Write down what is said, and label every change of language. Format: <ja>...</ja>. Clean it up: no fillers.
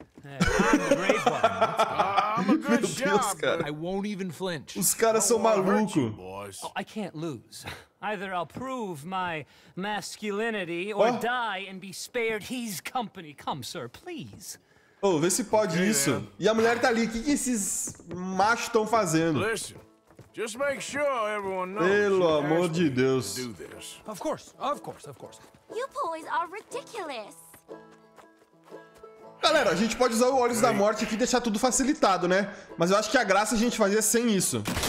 <en>I'm a great one. I'm a good job. I won't even flinch.</en> <pt>Os caras são malucos. Oh,</pt> <en>I can't lose. Either I'll prove my masculinity or die and be spared his company. Come, sir, please.</en> <pt>Oh, vê se pode isso. E a mulher tá ali. O que esses machos estão fazendo?</pt> <en>Listen, just make sure everyone knows.</en> <pt>Pelo amor de Deus.</pt> <en>Of course, of course, of course. You boys are ridiculous.</en> <pt>Galera, a gente pode usar o Olhos da Morte aqui e deixar tudo facilitado, né? Mas eu acho que a graça é a gente fazer sem isso.</pt>